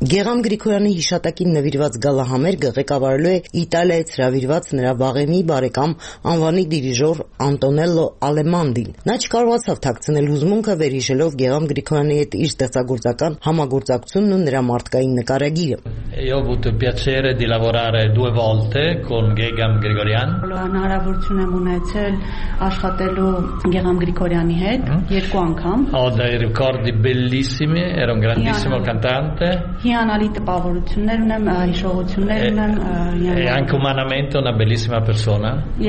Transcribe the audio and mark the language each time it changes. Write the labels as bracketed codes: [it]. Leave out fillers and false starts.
[hy] Գեղամ Գրիգորյանի հիշատակին նվիրված գալա համերգը ղեկավարելու է Իտալիայից հրավիրված նրա վաղեմի բարեկամ անվանի դիրիժոր Անտոնելլո Ալեմանդին։ Նա չկարողացավ թաքցնել հուզմունքը վերհիշելով Գեղամ Գրիգորյանի հետ իր ստեղծագործական համագործակցությունն ու նրա մարդկային նկարագիրը։ [it] Io ho avuto piacere di lavorare due volte con Gegam Grigorian. [hy] Ho հնարավորություն եմ ունեցել աշխատելու Գեղամ Գրիգորյանի հետ երկու անգամ։ [it] Bellissime, era un grandissimo cantante. E anche umanamente una bellissima persona.